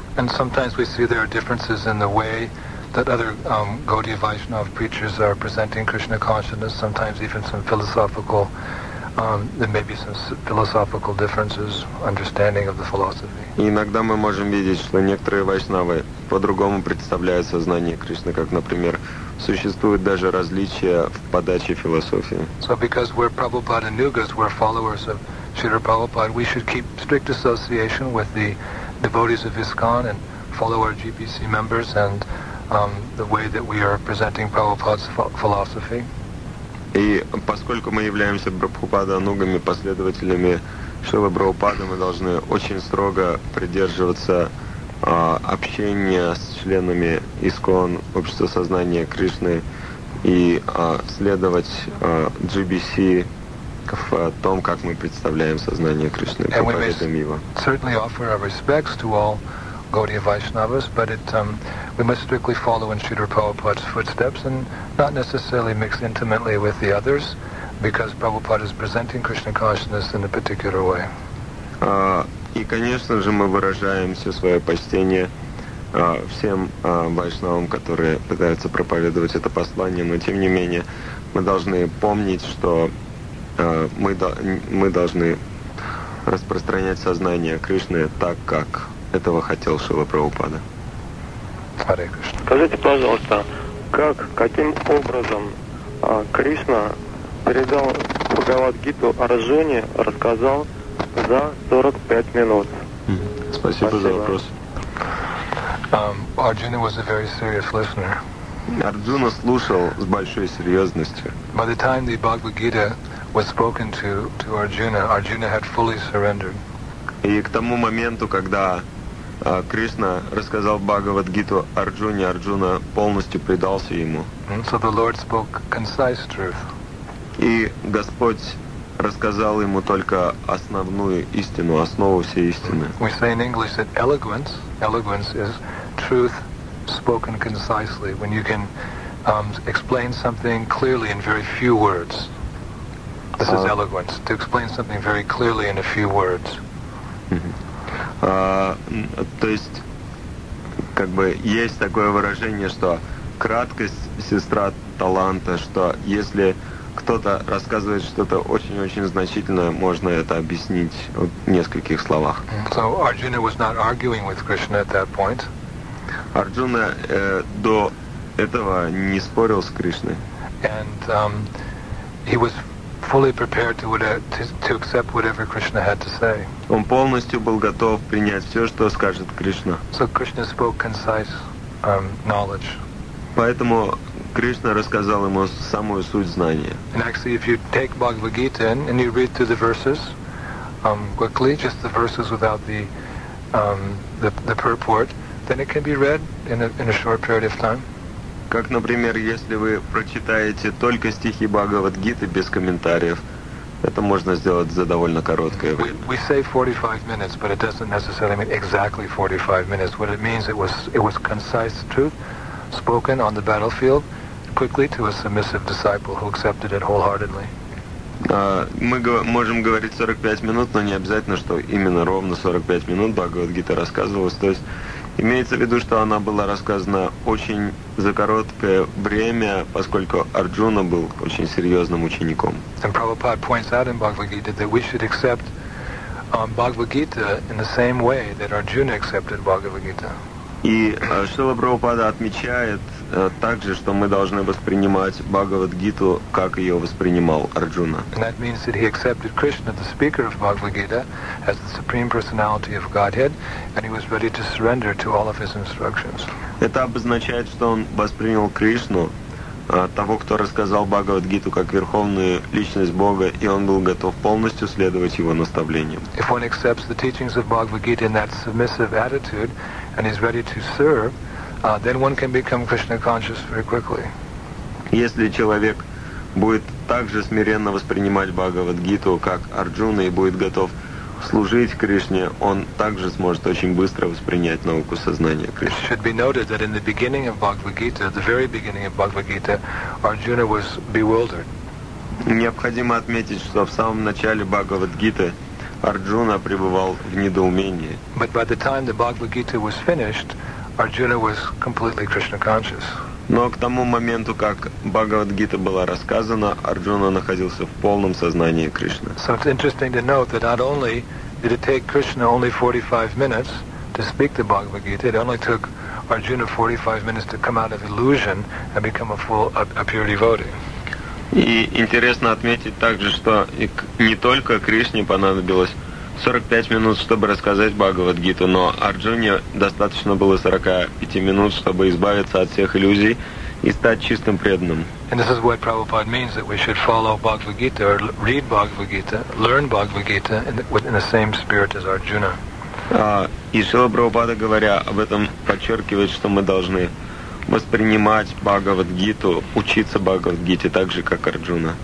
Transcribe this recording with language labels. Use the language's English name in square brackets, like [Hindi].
[English] And sometimes we see there are differences in the way that other Gaudiya Vaishnava preachers are presenting Krishna consciousness, sometimes even some philosophical there may be some philosophical differences, understanding of the philosophy. [Russian] Иногда мы можем видеть, что некоторые вайшнавы по-другому представляют сознание Кришны, как, например, существуют даже различия в подаче философии. [English] So because we're Prabhupada Nugas, we're followers of Srila Prabhupada, we should keep strict association with the devotees of ISKCON and follow our GPC members and the way that we are presenting Prabhupada's philosophy. [Russian] И поскольку мы являемся Прабхупада-анугами, последователями Шрилы Прабхупады, мы должны очень строго придерживаться общения с членами ИСКОН, Общества Сознания Кришны, и следовать GBC в том, как мы представляем сознание Кришны, проповедуем его. [English] And we may certainly offer our respects to all Gaudiya Vaishnavas, but we must strictly follow in Srila Prabhupada's footsteps and not necessarily mix intimately with the others, because Prabhupada is presenting Krishna consciousness in a particular way. [Russian] И, конечно же, мы выражаем все свое почтение всем вайшнавам, которые пытаются проповедовать это послание, но, тем не менее, мы должны помнить, что мы должны распространять сознание Кришны так, как этого хотел Шрила Прабхупада. Скажите, пожалуйста, каким образом Кришна передал Бхагавад-гиту Арджуне, рассказал за 45 минут? Спасибо за вопрос. [English] Arjuna was a very serious listener. [Russian] Арджуна слушал с большой серьезностью. [English] By the time the Bhagavad-gita was spoken to Arjuna, Arjuna had fully surrendered. [Russian] И к тому моменту, когда Кришна рассказал Бхагавад-гиту Арджуне, Арджуна полностью предался ему. [English] So the Lord spoke concise truth. [Russian] И Господь рассказал ему только основную истину, основу всей истины. [English] We say in English that eloquence is truth spoken concisely, when you can explain something clearly in very few words. This is eloquence, to explain something very clearly in a few words. [Russian] То есть, как бы, есть такое выражение, что краткость – сестра таланта, что если кто-то рассказывает что-то очень-очень значительное, можно это объяснить в нескольких словах. [English] So Arjuna was not arguing with Krishna at that point. [Russian] Арджуна до этого не спорил с Кришной. [English] And he was fully prepared to accept whatever Krishna had to say. [Russian] Он полностью был готов принять все, что скажет Кришна. [English] So Krishna spoke concise knowledge. [Russian] Поэтому Кришна рассказал ему самую суть знания. [English] And actually, if you take Bhagavad Gita and you read through the verses quickly, just the verses without the the purport, then it can be read in a short period of time. [Russian] Как, например, если вы прочитаете только стихи Бхагавад-гиты без комментариев, это можно сделать за довольно короткое время. [English] We say 45 minutes, but it doesn't necessarily mean exactly 45 minutes. What it means, it was concise truth spoken on the battlefield quickly to a submissive disciple who accepted it wholeheartedly. [Russian] Мы можем говорить 45 минут, но не обязательно, что именно ровно 45 минут Бхагавад-гита рассказывалась. То есть имеется в виду, что она была рассказана очень за короткое время, поскольку Арджуна был очень серьезным учеником. [English] And Prabhupada points out in Bhagavad-gita that we should accept Bhagavad-gita in the same way that Arjuna accepted Bhagavad-gita. [Russian] И Шрила Прабхупада отмечает также, что мы должны воспринимать Бхагавад-гиту, как ее воспринимал Арджуна. [English] And that means that he accepted Krishna, the speaker of Bhagavad-gita, as the supreme personality of Godhead, and he was ready to surrender to all of his instructions. [Russian] Это обозначает, что он воспринял Кришну, того, кто рассказал Бхагавад-гиту как верховную личность Бога, и он был готов полностью следовать его наставлениям. [English] If one accepts the teachings of Bhagavad-gita in that submissive attitude, and is ready to serve, then one can become Krishna conscious very quickly. [Russian] Если человек будет также смиренно воспринимать Бхагавад-гиту как Арджуна и будет готов служить Кришне, он также сможет очень быстро воспринять науку сознания Кришны. [English] It should be noted that in the beginning of Bhagavad-gita, the very beginning of Bhagavad-gita, Arjuna was bewildered. [Russian] Необходимо отметить, что в самом начале Бхагавад-гиты Арджуна пребывал в недоумении. [English] But by the time the Bhagavad-gita was finished, Arjuna was completely Krishna conscious. [Russian] Но к тому моменту, как Бхагавад-гита была рассказана, Арджуна находился в полном сознании Кришны. [English] So it's interesting to note that not only did it take Krishna only 45 minutes to speak the Bhagavad-gita, it only took Arjuna 45 minutes to come out of illusion and become a pure devotee. [Russian] И интересно отметить также, что не только Кришне понадобилось 45 минут, чтобы рассказать Бхагавад-гиту, но Арджуне достаточно было 45 минут, чтобы избавиться от всех иллюзий и стать чистым преданным. [English] And this is what Prabhupada means, that we should follow Bhagavad-gita, or read Bhagavad-gita, learn Bhagavad-gita in the same spirit as Arjuna. [Russian] И Шрила Прабхупада, говоря об этом, подчеркивает, что мы должны воспринимать Бхагавад-гиту, учиться Бхагавад-гите так же, как Арджуна.